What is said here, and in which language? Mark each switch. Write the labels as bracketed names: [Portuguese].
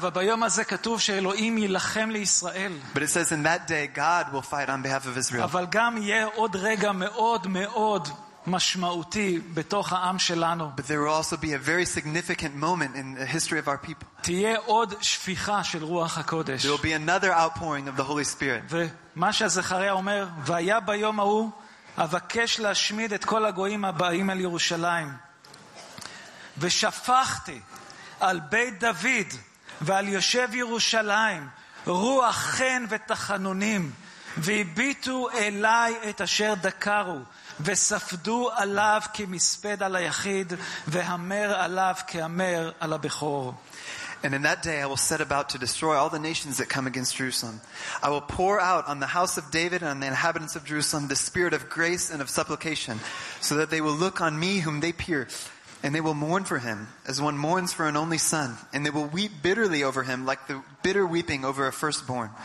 [Hebrew] אבל ביום הזה כתוב שאלוהים יילחם לישראל. [English] But it says in that day God will fight on behalf of Israel. [Hebrew] אבל גם יהיה עוד רגע מאוד מאוד משמעותי בתוך העם שלנו. [English] But there will also be a very significant moment in the history of our people. [Hebrew] תהיה עוד שפיכה של רוח הקודש. [English] There will be another outpouring of the Holy Spirit. [Hebrew] ומה שזכריה אומר, והיה ביום ההוא אבקש להשמיד את כל הגויים הבאים אל ירושלים. ושפכתי על בית דוד ועל יושב ירושלים רוח חן ותחנונים והביטו אליי את אשר דקרו וספדו עליו כמספד על היחיד והמר עליו כהמר על הבכור. [English] And in that day I will set about to destroy all the nations that come against Jerusalem. I will pour out on the house of David and on the inhabitants of Jerusalem the spirit of grace and of supplication so that they will look on me whom they pierced. And they will mourn for him as one mourns for an only son, and they will weep bitterly over him like the bitter weeping over a firstborn.